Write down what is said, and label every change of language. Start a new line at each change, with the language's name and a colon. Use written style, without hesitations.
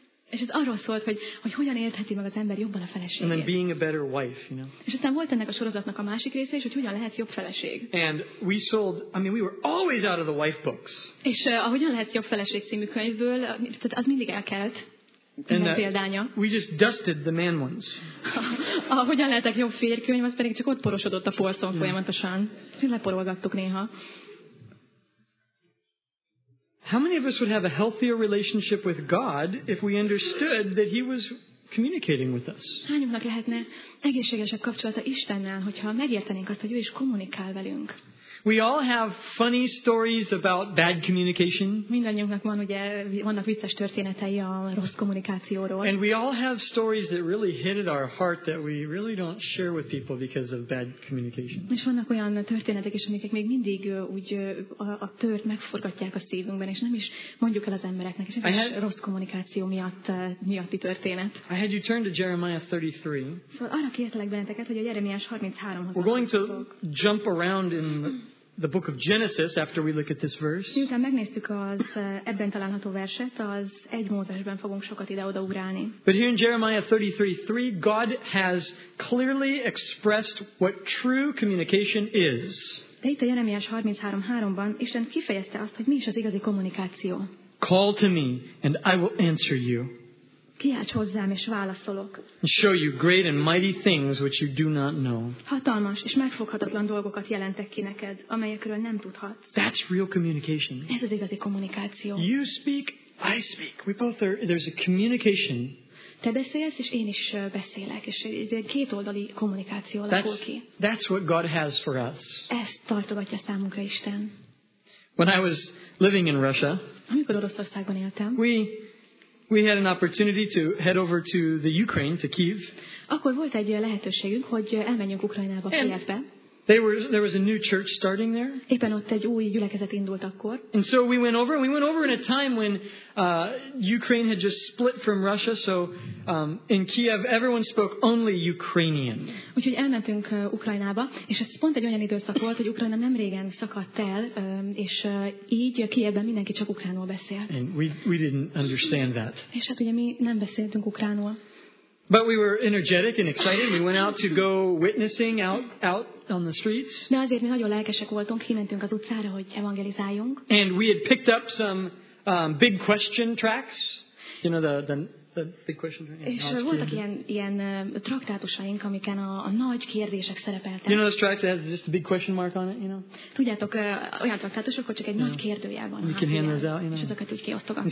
Hungarian: És ez arról szólt, hogy hogyan értheti meg az ember jobban a feleségét.
English: And then being a better wife,
Hungarian: És aztán volt ennek a sorozatnak a másik része is, hogy hogyan lehet jobb feleség.
English: And we sold, we were always out of the wife books.
Hungarian: És a hogyan lehet jobb feleség című könyvből, tehát az mindig elkelt.
English: We just dusted the man ones.
Hungarian: Hogyan lehetek jobb férkönyv, az pedig csak ott porosodott a polcon folyamatosan. Ezt leporolgattuk néha.
English: How many of us would have a healthier relationship with God if we understood that He was communicating with us?
Hungarian: Hányunknak lehetne egészségesebb kapcsolata Istennel, hogyha megértenénk azt, hogy ő is kommunikál velünk?
English: We all have funny stories about bad communication.
Hungarian: Mindannyiunknak van, ugye, vannak vicces történetei a rossz kommunikációról.
English: And we all have stories that really hit at our heart that we really don't share with people because of bad communication.
Hungarian: És vannak olyan történetek is, amik még mindig úgy a tört megforgatják a szívünkben, és nem is mondjuk el az embereknek, és ez rossz kommunikáció miatti történet.
English: I had you turn to Jeremiah 33.
Hungarian: Szóval arra kértelek benneteket, hogy a Jeremiás 33-hoz.
English: We're going to jump around in the book of Genesis after we look at this verse.
Hungarian: Miután megnéztük az ebben található verset, az egy Mózesben fogunk sokat ide-oda ugrálni.
English: But here in Jeremiah 33:3, God has clearly expressed what true communication is.
Hungarian: De itt a Jeremiás 33:3-ban Isten kifejezte azt, hogy mi is az igazi kommunikáció.
English: Call to me, and I will answer you.
Hungarian: Kiálts hozzám, és válaszolok.
English: Show you great and mighty things which you do not know.
Hungarian: Hatalmas és megfoghatatlan dolgokat jelentek ki neked, amelyekről nem tudhatsz.
English: That's real communication.
Hungarian: Ez az igazi kommunikáció.
English: You speak, I speak. We both are, there's a communication.
Hungarian: Te beszélsz, és én is beszélek, és ez egy kétoldali kommunikáció alakul ki.
English: That's what God has for us.
Hungarian: Ezt tartogatja számunkra Isten.
English: When I was living in Russia, we had an opportunity to head over to the Ukraine, to Kyiv.
Hungarian: Akkor volt egy lehetőségünk, hogy elmenjünk Ukrajnába, Kijevbe.
English: There was a new church starting there.
Hungarian: Éppen ott egy új gyülekezet indult akkor.
English: And so we went over. We went over in a time when Ukraine had just split from Russia. So in Kyiv, everyone spoke only Ukrainian.
Hungarian: Úgyhogy elmentünk Ukrajnába, és ez pont egy olyan időszak volt, hogy Ukrajna nem régen szakadt el, és így Kijevben mindenki csak ukránul beszélt.
English: And we didn't understand that.
Hungarian: És hát ugye mi nem beszéltünk ukránul.
English: But we were energetic and excited. We went out to go witnessing out. On the streets.
Hungarian: De azért mi nagyon lelkesek voltunk, kimentünk az utcára, hogy evangelizáljunk.
English: And we had picked up some big question tracts. You know the big question tracts.
Hungarian: És voltak ilyen traktátusaink, amiken a nagy kérdések szerepeltek.
English: You know those tracts that has just a big question mark on it, you know?
Hungarian: Tudjátok, olyan traktátusok, hogy csak egy nagy kérdőjel van.
English: We can hand those out, you know?
Hungarian: És azokat úgy kiosztogattuk.